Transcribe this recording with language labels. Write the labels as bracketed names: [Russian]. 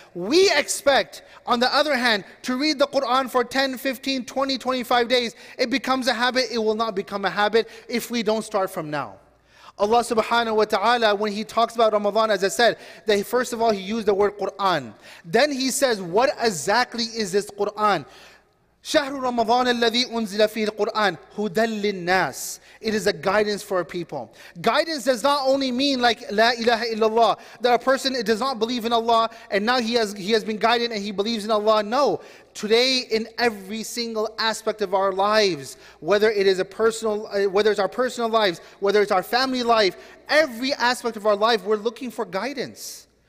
[English] We expect, on the other hand, to read the Quran for 10, 15, 20, 25 days. It becomes a habit. It will not become a habit if we don't start from now. Allah subhanahu wa ta'ala, when He talks about Ramadan, as I said, that first of all, He used the word Quran. Then He says, what exactly is this Quran? [Arabic] شهر رمضان الذي أنزل فيه القرآن هدى للناس. [English] It is a guidance for a people. Guidance does not only mean like La ilaha illallah, that a person does not believe in Allah and now he has been guided and he believes in Allah. No. Today, in every single aspect of our lives, whether it is a personal, whether it's our personal lives, whether it's our family life, every aspect of our life, we're looking for guidance.